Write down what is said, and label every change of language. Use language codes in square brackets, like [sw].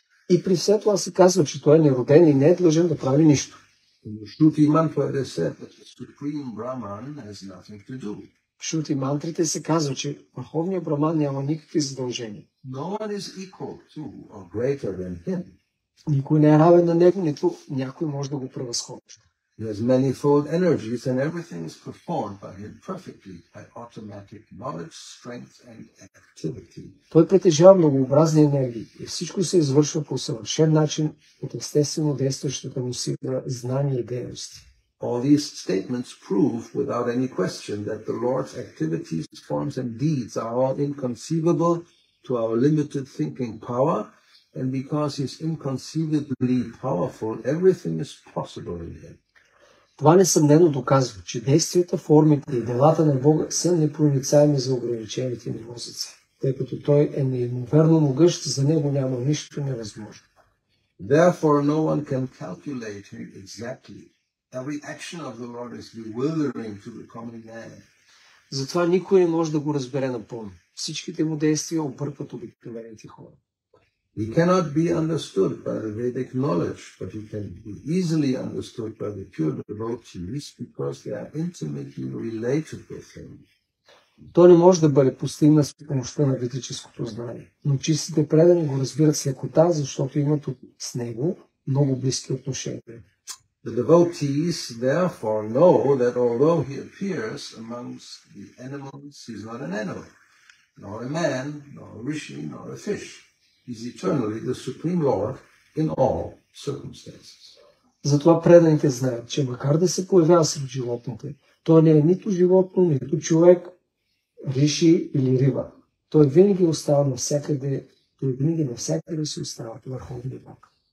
[bg] И при все това се казва, че той е нероден и не е длъжен да прави нищо. [en] In the Shruti mantra it is said that the supreme Brahman has nothing to do. [bg] В Шрути мантрите се казва, че върховният Браман няма никакви задължения. [en] No one is equal to or greater than him. [bg] Никой не е равен на него, нито някой може да го превъзходи. [en] He has manifold energies and everything is performed by him perfectly by automatic knowledge, strength and activity. [bg] Той притежава многообразни енергии и всичко се извършва по съвършен начин от естествено действащата му сила знание и дейност. [en] All these statements prove without any question that the Lord's activities, forms and deeds are all inconceivable to our limited thinking power. And because he is inconceivably powerful, everything is possible in him. [bg] Това несъмнено доказва, че действията, формите и делата на Бога са непроницаеми за ограничените ни мозъци. Тъй като той е неимоверно могъщ, за него няма нищо невъзможно. [en] Therefore, no one can calculate him exactly. Every action of the Lord is bewildering to the common man. [bg] Затова никой не може да го разбере напълно. Всичките му действия объркват обикновените хора. [en] He cannot be understood by the Vedic knowledge, but he can be easily understood by the pure devotees because they are intimately related with him. [bg] Той не може да бъде постигнат с помощта на ведическото знание, но чистите предани го разбират с лекота, защото имат с него много близки отношения. [en] The devotees therefore know that although he appears amongst the animals, he is not an animal, nor a man, nor a rishi, nor a fish. Is eternally the supreme Lord in all circumstances. [bg] Затова преданите знаят, че макар да се появява сред животните, той не е нито животно, нито човек, риши или риба. Той винаги остава навсякъде, той винаги навсякъде се остава върховен Бог.